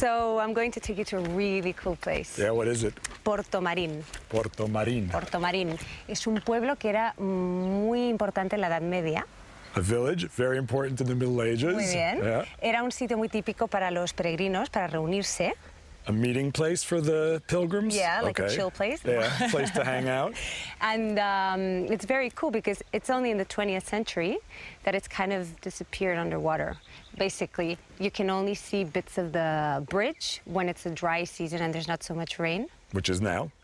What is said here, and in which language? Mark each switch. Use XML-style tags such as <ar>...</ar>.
<en>So I'm going to take you to a really cool place. Yeah, what is it? Puerto Marín. Puerto Marín. Puerto Marín.</en> <es>Es un pueblo que era muy importante en la Edad Media.</es> <en>A village, very important in the Middle Ages.</en> <es>Muy bien. Yeah. Era un sitio muy típico para los peregrinos, para reunirse.</es> <en>A meeting place for the pilgrims? Yeah, like okay. A chill place. Yeah, place to hang out. And it's very cool because it's only in the 20th century that it's kind of disappeared underwater. Basically, you can only see bits of the bridge when it's a dry season and there's not so much rain. Which is now.</en>